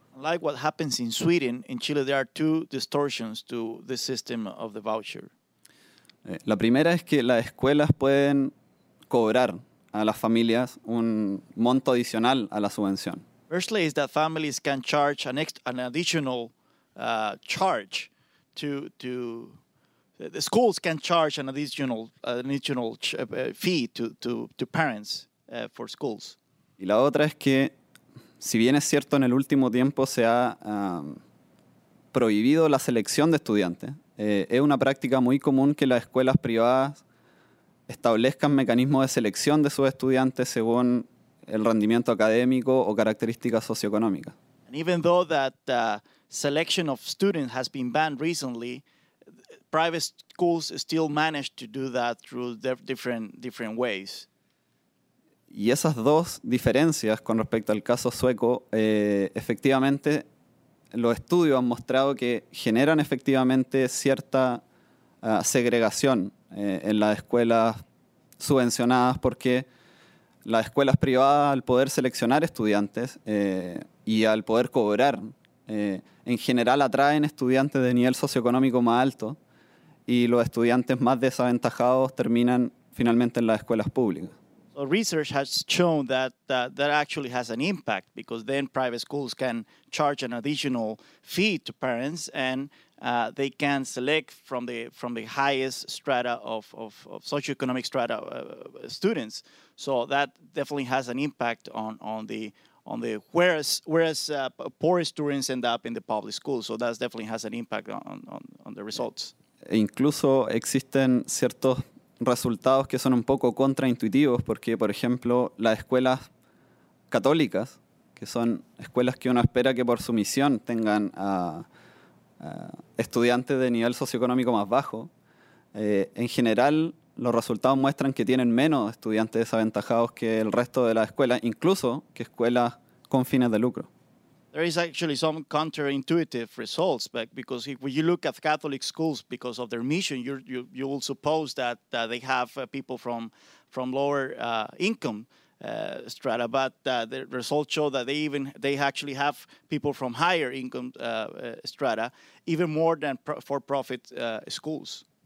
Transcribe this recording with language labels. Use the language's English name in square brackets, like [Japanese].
[English] Like what happens in Sweden, in Chile there are two distortions to the system of the voucher. [Spanish] La primera es que las escuelas pueden cobrar a las familias un monto adicional a la subvención. [English] Firstly, is that families can charge an additional fee to parents for schools. [Spanish] Y la otra es que, si bien es cierto, en el último tiempo se ha prohibido la selección de estudiantes, es una práctica muy común que las escuelas privadas establezcan mecanismos de selección de sus estudiantes según el rendimiento académico o características socioeconómicas. [English] And even though that selection of students has been banned recently, private schools still manage to do that through different ways. [Spanish] Y esas dos diferencias con respecto al caso sueco, efectivamente, los estudios han mostrado que generan efectivamente cierta segregación en las escuelas subvencionadas, porque las escuelas privadas, al poder seleccionar estudiantes y al poder cobrar, en general atraen estudiantes de nivel socioeconómico más alto, y los estudiantes más desaventajados terminan finalmente en las escuelas públicas. [English] So research has shown that that actually has an impact, because then private schools can charge an additional fee to parents, and they can select from the highest strata of socioeconomic strata students. So that definitely has an impact on the poor students end up in the public schools. So that definitely has an impact on the results. [Spanish] E incluso existen ciertos resultados que son un poco contraintuitivos, porque, por ejemplo, las escuelas católicas, que son escuelas que uno espera que por su misión tengan a estudiantes de nivel socioeconómico más bajo, en general los resultados muestran que tienen menos estudiantes desaventajados que el resto de las escuelas, incluso que escuelas con fines de lucro. [English] There is actually some counterintuitive results, but because if you look at Catholic schools because of their mission, you will suppose that they have people from lower income strata, but the results show that they actually have people from higher income strata, even more than for-profit schools.